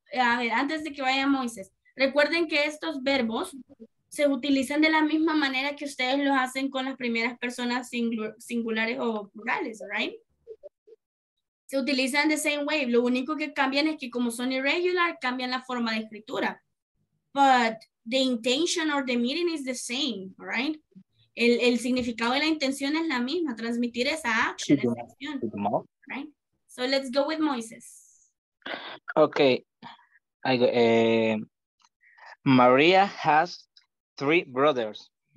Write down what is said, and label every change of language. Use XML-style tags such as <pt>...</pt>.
<es>A ver, antes de que vaya Moises, recuerden que estos verbos se utilizan de la misma manera que ustedes los hacen con las primeras personas singulares o plurales,</es> <en>all right?</en> <es>Se utilizan</es> <en>the same way.</en> <es>Lo único que cambian es que como son irregular, cambian la forma de escritura.</es> <en>But the intention or the meaning is the same, all right?</en> <es>El significado de la intención es la misma, transmitir esa acción, esa acción, right?</es> <en>So let's go with Moises. Okay. Maria has three brothers.</en>